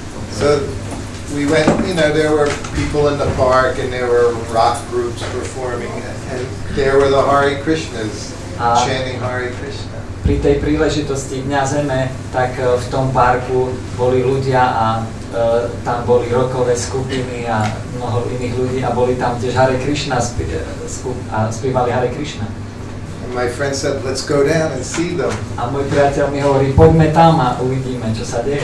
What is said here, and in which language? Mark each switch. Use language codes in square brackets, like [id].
[en] So we went, you know, there were people in the park and there were rock groups performing and there were the Hare Krishnas, chanting Hare Krishna. [sk] Pri tej príležitosti Dňa Zeme, tak v tom parku boli ľudia a tam boli rockové skupiny a mnoho iných ľudí a boli tam tiež Hare Krishna a spievali Hare Krishna. [en] And my friend said, let's go down and see them. [sk] A môj priateľ mi hovorí, poďme tam a uvidíme, čo sa deje.